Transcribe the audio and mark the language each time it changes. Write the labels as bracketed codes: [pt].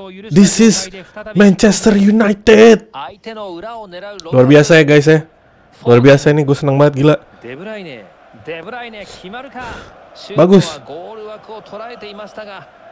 [en] This is Manchester United. [ja] 相手の裏を狙う。 [id] luar biasa ya guys ya. Luar biasa ini, gue senang banget gila. [ja] De Bruyne, De Bruyne, 決まるか。 [id] Bagus. [ja] ゴール枠を捉えていましたが。